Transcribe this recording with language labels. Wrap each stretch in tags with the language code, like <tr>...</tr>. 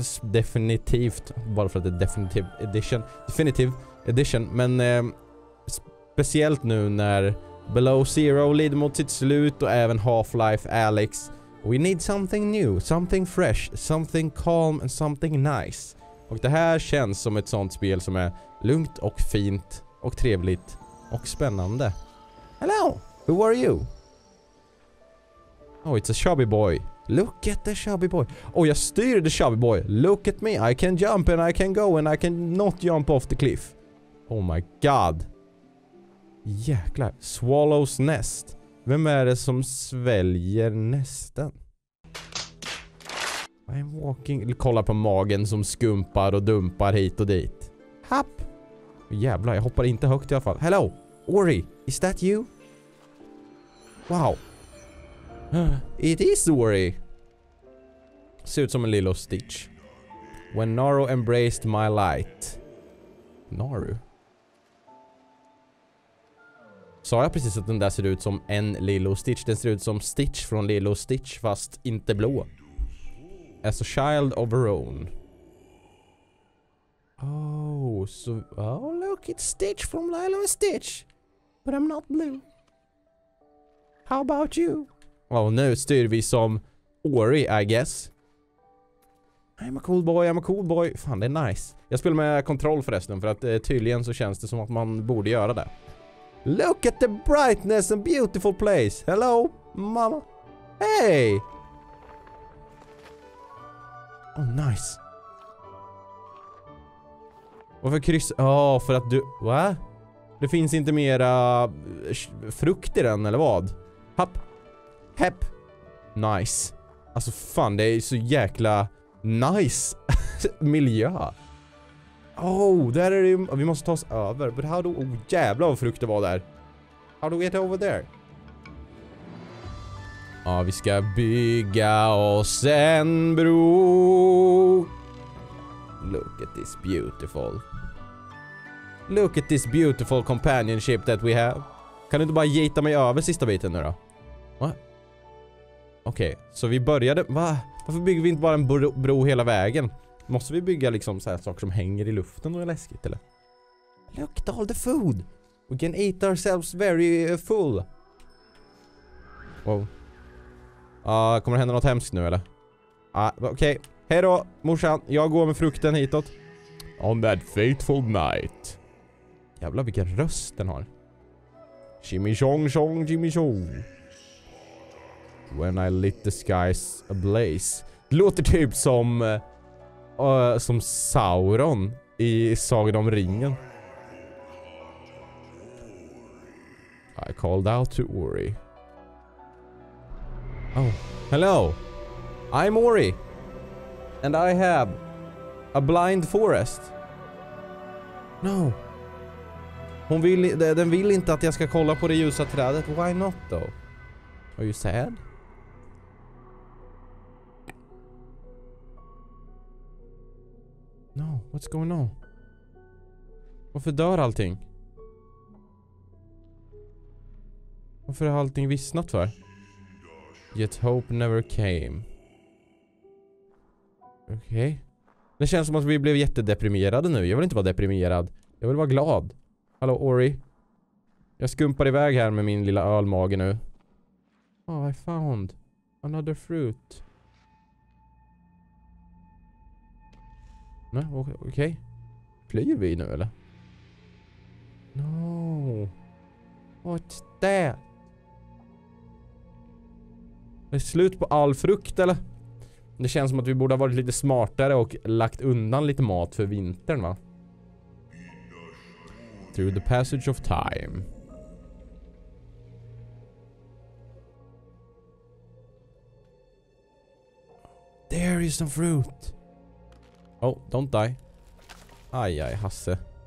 <sv>Definitivt, bara för att det är Definitive Edition. Men speciellt nu när Below Zero lider mot sitt slut och även Half-Life Alyx.</sv> <en>We need something new, something fresh, something calm and something nice.</en> <sv>Och det här känns som ett sånt spel som är lugnt och fint och trevligt och spännande.</sv> <en>Hello! Who are you? Oh, it's a chubby boy. Look at the chubby boy. Oh,</en> <sv>jag styr</sv> <en>the chubby boy. Look at me. I can jump and I can go and I can not jump off the cliff. Oh my god.</en> <sv>Jäklar.</sv> <en>Swallow's nest.</en> <sv>Vem är det som sväljer nästen?</sv> <en>I'm walking.</en> <sv>Kolla på magen som skumpar och dumpar hit och dit. Hopp. Jävlar, jag hoppar inte högt i alla fall.</sv> <en>Hello. Ori, is that you? Wow. It is Ori.</en> <sv>Ser ut som en Lilo Stitch.</sv> <en>When Naru embraced my light. Naru?</en> <sv>Sa jag precis att den där ser ut som en Lilo Stitch? Den ser ut som Stitch från Lilo Stitch, fast inte blå.</sv> <en>As a child of her own. Oh, so, oh look, it's Stitch from Lilo Stitch. But I'm not blue. How about you? Well,</en> <sv>nu styr vi som Ori,</sv> <en>I guess. I'm a cool boy.</en> <sv>Fan, det är nice. Jag spelar med kontroll förresten, för att tydligen så känns det som att man borde göra det.</sv> <en>Look at the brightness and beautiful place. Hello, mama. Hey. Oh, nice.</en> <sv>Varför kryss... Oh, för att du... Va? Det finns inte mera frukt i den, eller vad? Hopp. Hepp.</sv> <en>Nice.</en> <sv>Alltså fan, det är så jäkla nice miljö. Oh, där är det ju... Vi måste ta oss över.</sv> <en>But how do...</en> <sv>Oh, jävla vad frukt det var där.</sv> <en>How do we get over there?</en> <sv>Ja, vi ska bygga oss en bro.</sv> <en>Look at this beautiful. Look at this beautiful companionship that we have.</en> <sv>Kan du inte bara gita mig över sista biten nu då? Okej, okay, så vi började... Va? Varför bygger vi inte bara en bro hela vägen? Måste vi bygga liksom så här saker som hänger i luften och är läskigt, eller?</sv> <en>Look at all the food! We can eat ourselves very full! Wow.</en> <sv>Kommer det hända något hemskt nu, eller? Okej. Okay. Hej då, morsan. Jag går med frukten hitåt.</sv> <en>On that fateful night.</en> <sv>Jävlar, vilken röst den har.</sv> <en>Chimichong, chong, chimichong. When I lit the skies ablaze.</en> <sv>Det låter typ som Sauron i Sagan om ringen.</sv> <en>I called out to Ori. Oh, hello. I'm Ori. And I have a blind forest. No.</en> <sv>Hon vill, den vill inte att jag ska kolla på det ljusa trädet.</sv> <en>Why not though? Are you sad? No, what's going on?</en> <sv>Varför dör allting? Varför har allting vissnat för?</sv> <en>Yet hope never came.</en> <sv>Okej. Okay. Det känns som att vi blev jättedeprimerade nu. Jag vill inte vara deprimerad. Jag vill vara glad. Hallå, Ori. Jag skumpar iväg här med min lilla ölmage nu.</sv> <en>Oh, I found. Another fruit.</en> <sv>Nej, okej. Flyr vi nu eller?</sv> <en>No. What's that?</en> <sv>Är slut på all frukt eller? Det känns som att vi borde ha varit lite smartare och lagt undan lite mat för vintern, va?</sv> <en>Through the passage of time. There is some fruit. Oh, don't die. Aj, aj, Hasse.</en>